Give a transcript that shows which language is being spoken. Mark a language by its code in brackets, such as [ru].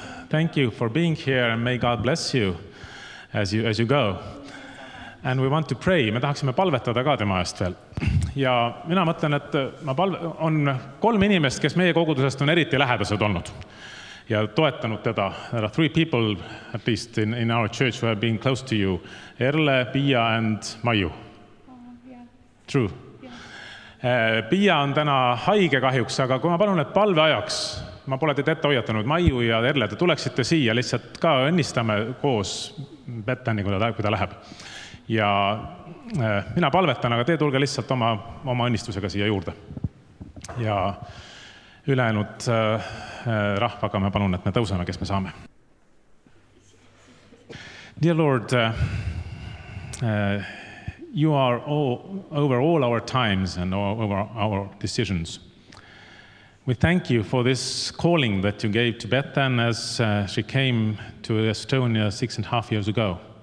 [en] Thank you for being here and may God bless you as you go. And we want to pray. [et] Me tahaksime palvetada ka tema eest veel. Ja mina mõtlen, et on 3 inimest, kes meie kogudusest on eriti lähedased olnud ja toetanud teda. [en] There are 3 people at least in our church who have been close to you. Erle, Pia and Maju. True. [et] Pia on täna haige kahjuks, aga kui ma palun, et palve ajaks, ma pole teid ette hoiatanud, Maiu ja Erle, te tuleksite siia, lihtsalt ka õnnistame koos Bettani, kui ta läheb. Ja mina palvetan, aga te tulge lihtsalt oma õnnistusega siia juurde. Ja ülejäänud rahvaga ma palun, et me tõuseme, kes me saame. [en] Dear Lord, you are all over all our times and over our decisions. We thank you for this calling that you gave to Bethan as she came to Estonia 6.5 years ago.